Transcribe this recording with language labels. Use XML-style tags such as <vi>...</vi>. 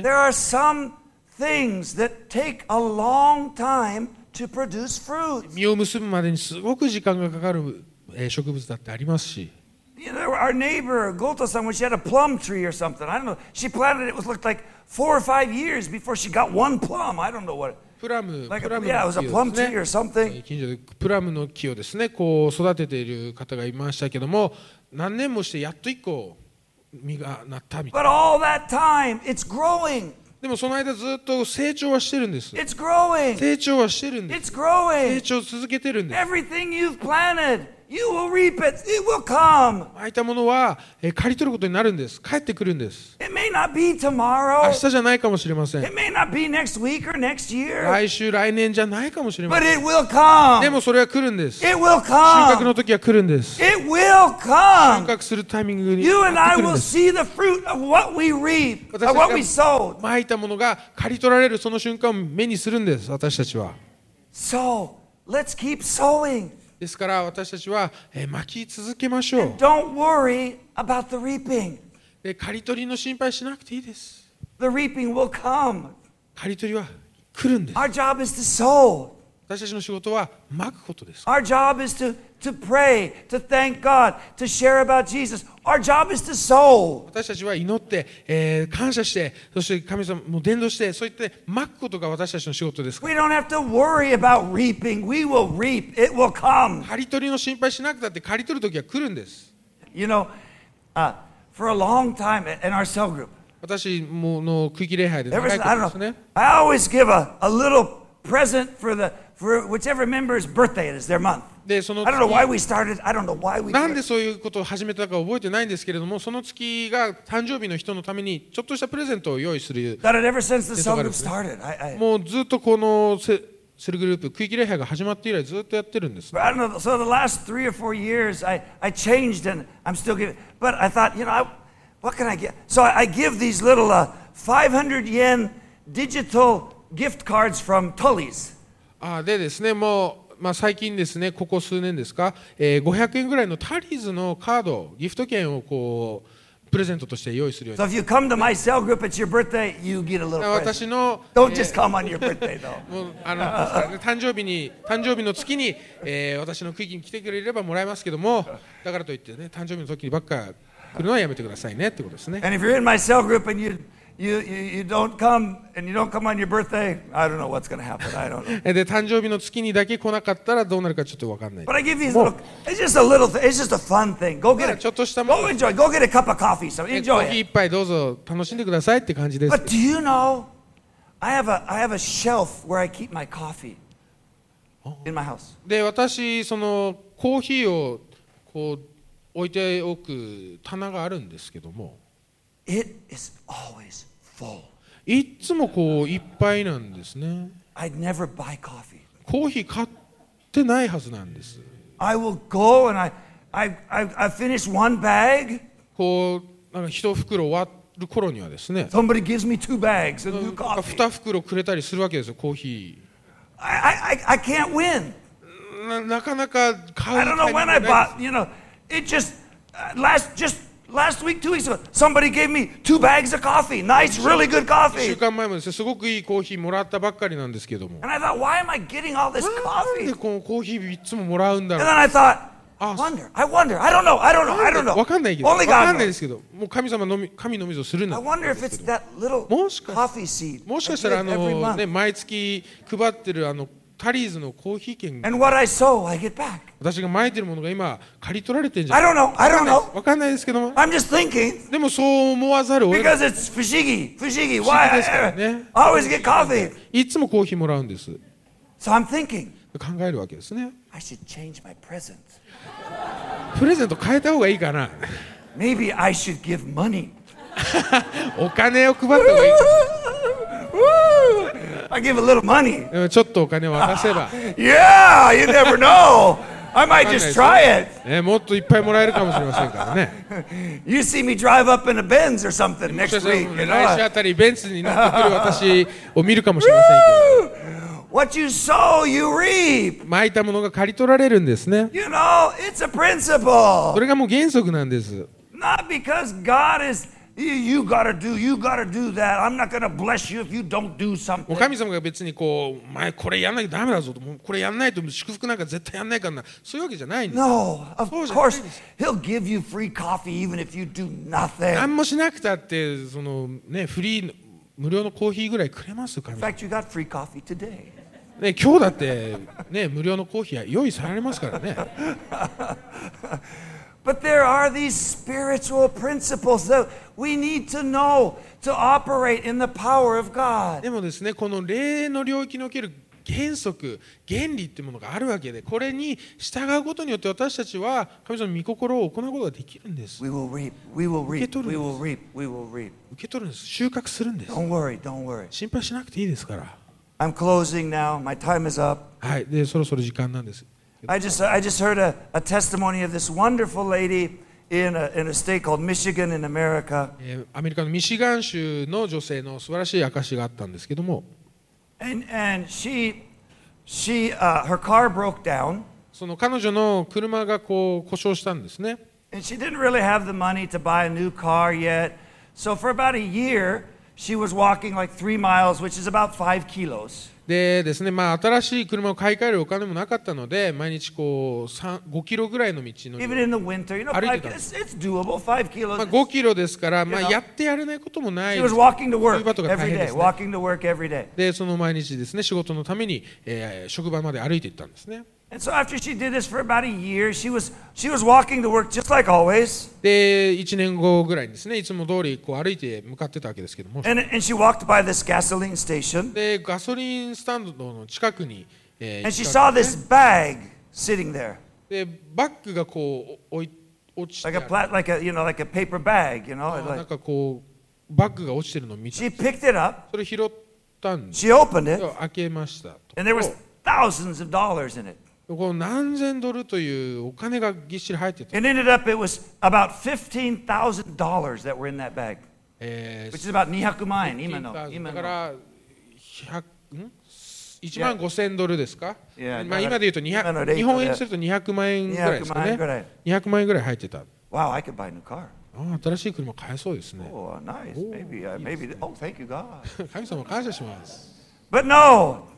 <en>There are some things that take a long time to produce fruit.</en> <ja>実を結ぶまでにすごく時間がかかる植物だってありますし。</ja> <en>Our neighbor, Goto-san, when she had a plum tree or something, I don't know, she planted it, it looked like four or five years before she got one plum. I don't know what.</en> <ja>プラム、</ja> <en>like、</en> <ja>プラムの木ですね。</ja> <en>Yeah, it was a plum tree or something.</en> <ja>近所でプラムの木をですね、こう育てている方がいましたけども、何年もしてやっと一個。実がなったみたいな。</ja> <en>But all that time, it's growing.</en> <ja>でもその間ずっと成長はしてるんです。</ja> <en>It's growing.</en> <ja>成長はしてるんです。</ja> <en>It's growing.</en> <ja>成長続けてるんです。</ja> <en>Everything you've planted, you will reap it. It will come.</en> <ja>撒いたものは刈り取ることになるんです。返ってくるんです。</ja> <en>It may not be tomorrow.</en> <ja>明日じゃないかもしれません。</ja> <en>It may not be next week or next year.</en> <ja>来週来年じゃないかもしれません。</ja> <en>But it will come.</en> <ja>でもそれは来るんです。</ja> <en>It will come.</en> <ja>収穫の時は来るんです。</ja> <en>It will come.</en> <ja>収穫するタイミングに</ja> <en>You and I will see the fruit of what we reap, of what we sow.</en> <ja>撒いたものが刈り取られるその瞬間を目にするんです。私たちは。</ja> <en>So, let's keep sowing.</en> <ja>ですから私たちは撒き続けましょう。</ja> <en>Don't worry about the reaping.</en> <ja>で、刈り取りの心配しなくていいです。</ja> <en>The reaping will come.</en> <ja>刈り取りは来るんです。</ja> <en>Our job is to sow.</en> <ja>私たちの仕事は撒くことです。</ja> <en>Our job is to pray, to thank God, to share about Jesus. Our job is to sow.</en> <ja>私たちは祈って、感謝して、そして神様も伝道して、そういって撒くことが私たちの仕事ですから。</ja> <en>We don't have to worry about reaping. We will reap. It will come.</en> <ja>刈り取りの心配しなくたって刈り取る時は来るんです。</ja> <en>You know, for a long time in our cell group.</en> <ja>私もの区域礼拝で長いことですね。</ja> <en>I always give a little present for whichever member's birthday it is, their month.</en> <ja>でその</ja> <en>I don't know why we started. I don't know why we.</en> <ja>なんでそういうことを始めたか覚えてないんですけれども、その月が誕生日の人のためにちょっとしたプレゼントを用意する。</ja> <en>That had ever since the cell group started. I</en> <ja>もうずっとこのセルグループ区域礼拝が始まって以来ずっとやってるんです。</ja> <en>But I don't know. So the last three or four years, I changed and I'm still giving. But I thought, you know, what can I get? So I give these little 500 yen digital. Gift cards from Tully's.</en> <ja>ああでですね、もう、まあ、最近ですね、ここ数年ですか、500円ぐらいのタリーズのカード、ギフト券をこうプレゼントとして用意するように。</ja> <en>So if you come to my cell group, it's your birthday, you get a little present.</en> <ja>私の</ja> <en>Don't just come on your birthday, though.</en> <ja>もうあの誕生日の月に、私の区域に来てくれればもらえますけども、だからといってね、誕生日の時にばっか来るのはやめてくださいねってことですね。</ja> <en>And if you're in my cell group and you don't come and you don't come on your birthday. I don't know what's going to happen. I don't know.</en> <ja>で誕生日の月にだけ来なかったらどうなるかちょっと分かんない。</ja> <en>But I give these little. It's just a little thing. It's just a fun thing. Go get.</en> <ja>ちょっとしたもの。</ja> <en>Go enjoy. Go get a cup of coffee. So enjoy.</en> <ja>コーヒー一杯どうぞ楽しんでくださいって感じです。</ja> <en>But do you know? I have a shelf where I keep my coffee in my house.</en> <ja>で私そのコーヒーをこう置いておく棚があるんですけども。</ja> <en>It is always full.</en> <ja>いつもこういっぱいなんですね。</ja> <en>I'd never buy coffee.</en> <ja>コーヒー買ってないはずなんです。</ja> <en>I will go and I finish one bag.</en> <ja>こうなんか一袋割る頃にはですね。</ja> <en>Somebody gives me two bags of new coffee.</en> <ja>二袋くれたりするわけですよコーヒー。</ja> <en>I can't win.</en> <ja>なかなか買うタイミング。</ja> <en>I don't know when I bought. You know, it just last just. Last week, 2 weeks ago, somebody gave me 2 bags of coffee. Nice, really good coffee.</en> <ja>週間前もですね、すごくいいコーヒーもらったばっかりなんですけども。</ja> <en>And I thought, why am I getting all this coffee?</en> <ja>なんでこのコーヒーいつももらうんだろう。</ja> <en>And then I thought, I wonder. I don't know.</en> <ja>わかんないけど。</ja> <en>Only God knows.</en> <ja>わかんないですけど、もう神様のみ、神のみぞするな。</ja> <en>I wonder if it's that little coffee seed.</en> <ja>もしかしたらあのね、毎月配ってるあのタリーズのコーヒー券。</ja> <en>And what I sow, I get back.</en> <ja>私が撒いてるものが今刈り取られてるんじゃない。</ja> <en>I don't know. I don't know.</en> <ja>わかんないですけども。</ja> <en>I'm just thinking.</en> <ja>でもそう思わざるを得ない。</ja> <en>Because it's</en> <ja>不思議。不思議。不思議ですからね。</ja> <en>I always get coffee.</en> <ja>いつもコーヒーもらうんです。</ja> <en>So I'm thinking.</en> <ja>考えるわけですね。</ja> <en>I should change my present.</en> <ja>プレゼント変えた方がいいかな。</ja> <en>Maybe I should give money.</en> <ja>お金を配った方がいい。</ja> <en>I give a little money.</en> <ja>ちょっとお金を渡せば。</ja> <en>Yeah, you never know. I might just try it.</en> <ja>ね、もっといっぱいもらえるかもしれませんからね。</ja> <en>You see me drive up in a Benz or something next week.</en> <ja>来週あたりベンツに乗ってくる私を見るかもしれませんけど。</ja> <en>What you sow, you reap.</en> <ja>撒いたものが刈り取られるんですね。</ja> <en>You know, it's a principle.</en> <ja>それがもう原則なんです。</ja> <en>Not because God is... You gotta do that. I'm not gonna bless you if you don't do something.</en> <ja>神様が別にこう、前これやんなきゃダメだぞと、もうこれやんないと祝福なんか絶対やんないからな、そういうわけじゃないんです。</ja> <en>No, of course, he'll give you free coffee even if you do nothing.</en> <ja>何もしなくたってそのね、フリー無料のコーヒーぐらいくれます神様。</ja> <en>In fact, you got free coffee today.</en> <ja>ね、今日だってね、無料のコーヒー用意されますからね。</ja> <en>But there are these spiritual principles that we need to know to operate in the power of God.</en> <ja>でもですね、この霊の領域における原則、原理っていうものがあるわけで、これに従うことによって私たちは神様の御心を行うことができるんです。</ja> <en>We will reap. We will reap.</en> <ja>受け取るんです。</ja> <en>We will reap. We will reap.</en> <ja>受け取るんです。収穫するんです。</ja> <en>Don't worry. Don't worry.</en> <ja>心配しなくていいですから。</ja> <en>I'm closing now. My time is up.</en> <ja>はい。で、そろそろ時間なんです。</ja> <en>I just heard a testimony of this wonderful lady in a state called Michigan in America.</en> <ja>アメリカのミシガン州の女性の素晴らしい証があったんですけども。</ja> <en>And she her car broke down.</en> <ja>その彼女の車がこう故障したんですね。</ja> <en>And she didn't really have the money to buy a new car yet. So for about a year, She was walking like 3 miles, which is about 5 kilos.</en> <ja>でですね、まあ新しい車を買い替えるお金もなかったので、毎日こう5キロぐらいの道のりを歩いてたんです。まあ5キロですから、まあやってやれないこともない。</ja> <en>She was walking to work every day. Walking to work every day.</en> <ja>でその毎日ですね、仕事のために、職場まで歩いていったんですね。</ja> <en>And so after she did this for about a year, she was walking to work just like always.</en> <ja>で、1年後ぐらいですね、いつも通りこう歩いて向かってたわけですけども。</ja> <en>And she walked by this gasoline station.</en> <ja>で、ガソリンスタンドの近くに、</ja> <en>And she saw this bag sitting there.</en> <ja>で、バッグがこう落ちてある。</ja> <en>Like a paper bag, you know?</en> <ja>なんかこうバッグが落ちてるのを見た。</ja> <en>She picked it up.</en> <ja>それ拾ったんです。</ja> <en>She opened it.</en> <ja>開けましたと。</ja> <en>And there was thousands of dollars in it.</en> <ja>何千ドルというお金がぎっしり入ってた。</ja> <en>It ended up it was about $15,000 that were in that bag, which is about</en> <ja>200万円今の。だから1万5000ドルですか？</ja> <en>Yeah,</en> <ja>まあ今で言うと200、日本円すると200万円ぐらいですかね。 200万円ぐらい入ってた。</ja> <en>Wow, I could buy a new car.</en> <ja>ああ新しい車買えそうですね。</ja> <en>Oh, nice. Maybe. Oh, thank you, God.</en> <ja>神様感謝します。</ja> <en>But no.</en>